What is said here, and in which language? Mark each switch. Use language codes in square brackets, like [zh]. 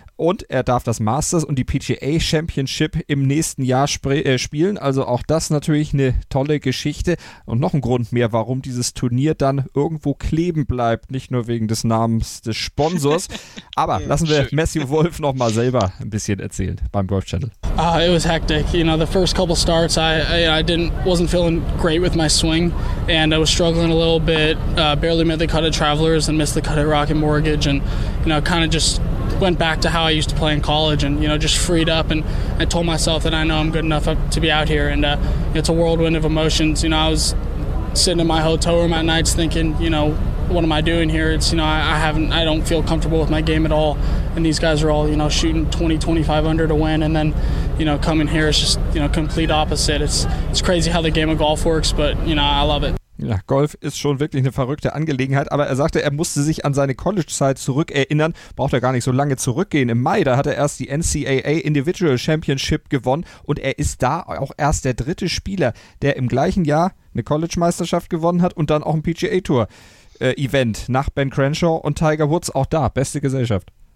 [de] Und er darf das Masters und die PGA Championship im nächsten Jahr spielen. Also auch das natürlich eine tolle Geschichte. Und noch ein Grund mehr, warum dieses Turnier dann irgendwo kleben bleibt. Nicht nur wegen des Namens des Sponsors. Aber lassen wir Matthew Wolff nochmal selber ein bisschen erzählen beim Golf Channel. [en] It was hectic. You know, the first couple starts, I wasn't feeling great with my swing. And I was struggling a little bit. Barely made the cut at Travelers and missed the cut at Rocket Mortgage. And, you know, kind of just went back to how I used to play in college and, you know, just freed up and I told myself that I know I'm good enough to be out here and it's a whirlwind of emotions. You know, I was sitting in my hotel room at nights thinking, you know, what am I doing here? It's, you know, I don't feel comfortable with my game at all and these guys are all, you know, shooting 20-25 under to win and then, you know, coming here is just, you know, complete opposite. It's crazy how the game of golf works, but, you know, I love it. [de] Ja, Golf ist schon wirklich eine verrückte Angelegenheit, aber er sagte, er musste sich an seine College-Zeit zurückerinnern, braucht er gar nicht so lange zurückgehen. Im Mai, da hat er erst die NCAA Individual Championship gewonnen und er ist da auch erst der dritte Spieler, der im gleichen Jahr eine College-Meisterschaft gewonnen hat und dann auch ein PGA-Tour-Event nach Ben Crenshaw und Tiger Woods, auch da, beste Gesellschaft.